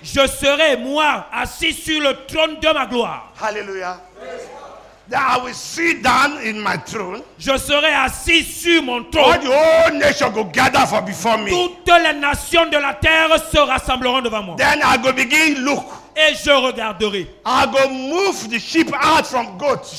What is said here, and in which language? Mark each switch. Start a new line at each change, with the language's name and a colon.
French: Je serai moi assis sur le trône de ma gloire. Hallelujah.
English: That I will sit down in my throne.
French: Je serai assis sur mon trône.
English: All the whole nation will gather for before me.
French: Toutes les nations de la terre se rassembleront devant moi.
English: Then I will begin look.
French: Et je regarderai.
English: I go move the sheep out from goats.